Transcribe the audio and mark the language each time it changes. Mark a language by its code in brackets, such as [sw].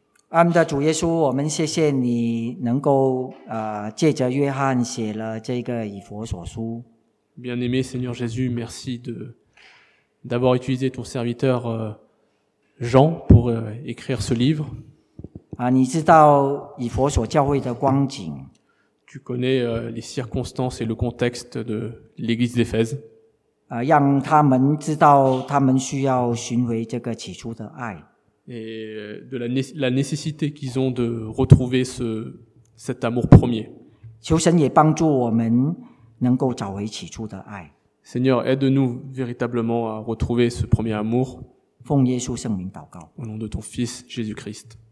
[zh] Ah, 的主耶稣，我们谢谢你能够借着约翰写了这个以弗所书。 [fr] Bien-aimé Seigneur Jésus, merci d'avoir utilisé ton serviteur Jean pour écrire ce livre. [zh] Ah, 你知道以弗所教会的光景。 [fr] Tu connais les circonstances et le contexte de l'église d'Éphèse. [zh] 啊，让他们知道他们需要寻回这个起初的爱。 [fr] Et de la nécessité qu'ils ont de retrouver cet amour premier. [zh] 求神也帮助我们能够找回起初的爱。 [fr] Seigneur, aide-nous véritablement à retrouver ce premier amour. [zh] 奉耶稣圣名祷告。 [fr] Au nom de ton Fils, Jésus-Christ.